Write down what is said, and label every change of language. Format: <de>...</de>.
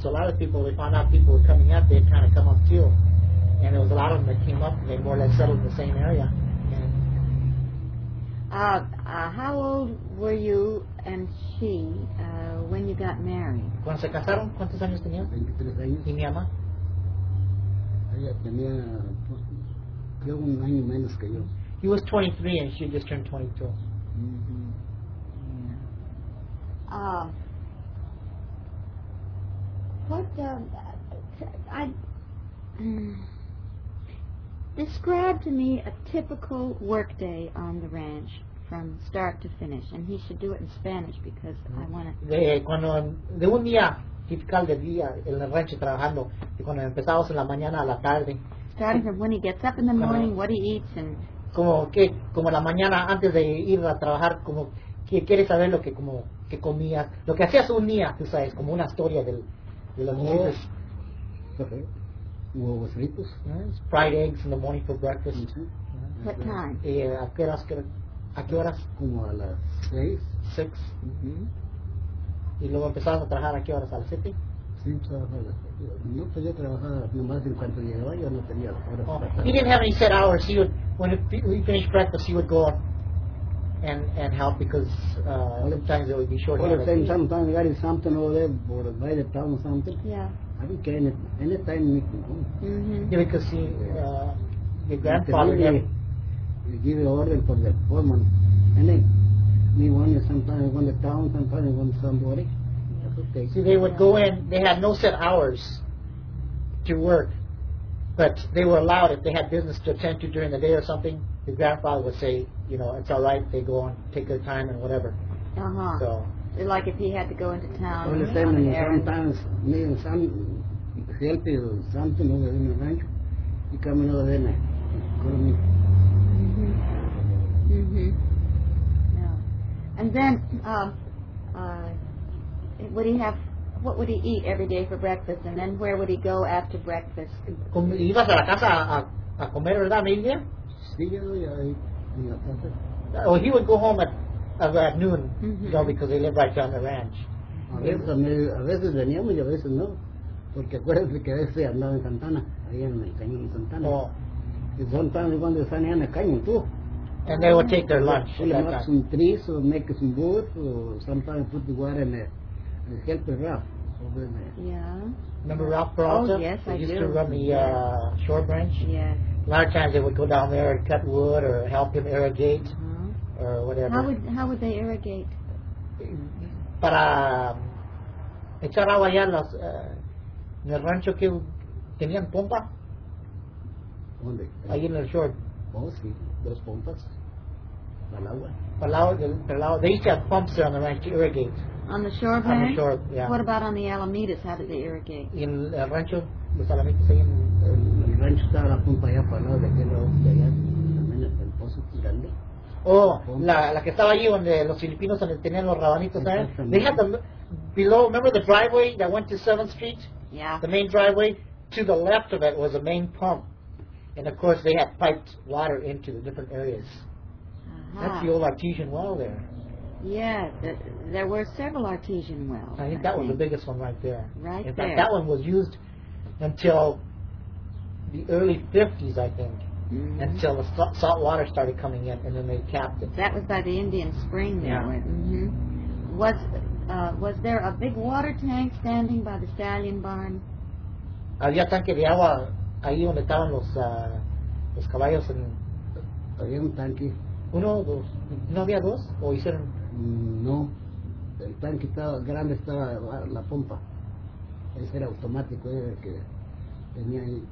<en>So a lot of people, they found out people were coming up, they'd kind of come up too. And there was a lot of them that came up, and they more or less settled in the same area. How old were you and she when you got married?</en> <es>Cuando se casaron, ¿cuántos años tenía? 23 años. ¿Y mi mamá? Ella tenía, pues, un año menos que yo.</es> <en>He was 23 and she just turned 22. Mm-hmm. Describe to me a typical work day on the ranch from start to finish, and he should do it in Spanish because I want to.</en> <es>De un día típico de día en el rancho trabajando, y cuando empezamos en la mañana a la tarde.</es> <en>Starting from when he gets up in the morning, what he eats, and.</en> <es>Como que como la mañana antes de ir a trabajar, como que quieres saber lo que como que comías, lo que hacías un día, tú sabes, como una historia de los días. Huevos fritos.</es> <en>Yes. Fried eggs in the morning for breakfast. What time?</en> <es>¿A qué horas? Como a las 6. 6. Mm-hmm. ¿Y luego empezabas a trabajar a qué horas? ¿A las 7? Sí, trabajaba a las 7. No podía trabajar nomás en cuanto llegaba, yo no tenía horas.</es> <en>He didn't have any set hours. He would, when he finished breakfast, he would go and help because sometimes it would be short. Well, the same, sometimes I got something over there or by the town or something. Yeah. I think any time we can go. Yeah, because your grandfather, you give an order for the foreman. And then we want to sometimes go to town, sometimes go to somebody. Okay. See, they would go in, they had no set hours to work, but they were allowed, if they had business to attend to during the day or something, the grandfather would say, you know, it's all right, they go on, take their time and whatever. Uh-huh. So. Like if he had to go into town. Well, the same thing. Sometimes me and some help you or something over in the ranch, you come in over there and go to me. Mm-hmm. Mm-hmm. Yeah. And then, what would he eat every day for breakfast? And then where would he go after breakfast?</en> <es>¿Ibas a la casa a comer, verdad, mi hija? Sí, yo ya en la casa.</es> <en>Oh, he would go home at noon, mm-hmm. You know, because they live right down the ranch.</en> <es>A veces veníamos y a veces no, porque acuérdense que a veces andaba en Santana, ahí en el cañón de Santana.</es> <en>Oh. Y sometimes when they're standing in the canyon too. And they would take their lunch. They would make some trees or make some wood or sometimes put the water in there and help Ralph over there. Yeah. Remember Ralph Peralta? Oh, yes, I do. He used to run the shore branch. Yeah. A lot of times they would go down there and cut wood or help him irrigate. Mm-hmm. Or whatever. How would they irrigate?</en> <es>Para echar agua allá en el rancho que tenían pompa. ¿Dónde? Ahí en el short. Oh, sí, dos pompas. Para el agua. Para el agua.</es> <en>They used to have pumps there on the ranch to irrigate. On the shore, man? On the shore, yeah. What about on the Alamitas? How did they irrigate?</en> <es>En el rancho, los Alamitas ahí en el rancho estaba la pompa allá para el lado de aquel lado de allá. También el pozo grande. Oh, la que estaba allí donde los filipinos tenían los rabanitos, ¿sabes?</es> <en>They had the, below, remember the driveway that went to 7th Street? Yeah. The main driveway, to the left of it was a main pump. And of course they had piped water into the different areas. Uh-huh. That's the old artesian well there. Yeah, there were several artesian wells. I think that was the biggest one right there. Right in there. In fact, that one was used until the early 50s, I think. Mm-hmm. Until the salt water started coming in, and then they capped it. That was by the Indian Spring there. Yeah. Mm-hmm. Was there a big water tank standing by the stallion barn?</en> <es>Había tanque de agua ahí donde estaban los caballos. Había un tanque. Uno, dos. ¿No había dos? ¿O hicieron? No. El tanque estaba grande, estaba la pompa. Ese era automático, era el que tenía ahí.</es>